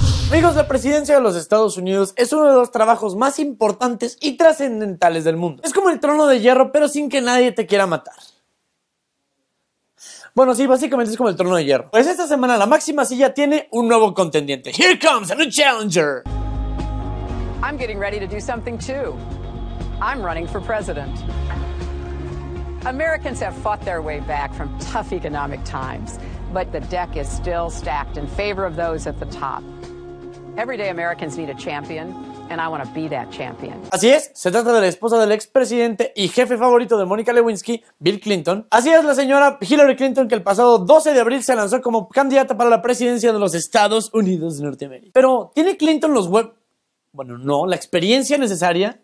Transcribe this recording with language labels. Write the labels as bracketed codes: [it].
[es] Amigos, la presidencia de los Estados Unidos es uno de los trabajos más importantes y trascendentales del mundo. Es como el trono de hierro, pero sin que nadie te quiera matar. Bueno, sí, básicamente es como el trono de hierro. Pues esta semana la máxima silla tiene un nuevo contendiente. [en] Here comes a new challenger. I'm getting ready to do something too. I'm running for president. Americans have fought their way back from tough economic times, but the deck is still stacked in favor of those at the top. Everyday Americans need a champion, and I want to be that champion. [es] Así es, se trata de la esposa del expresidente y jefe favorito de Mónica Lewinsky, Bill Clinton. Así es, la señora Hillary Clinton, que el pasado 12 de abril se lanzó como candidata para la presidencia de los Estados Unidos de Norteamérica. Pero, ¿tiene Clinton los huevos? Bueno, no, la experiencia necesaria.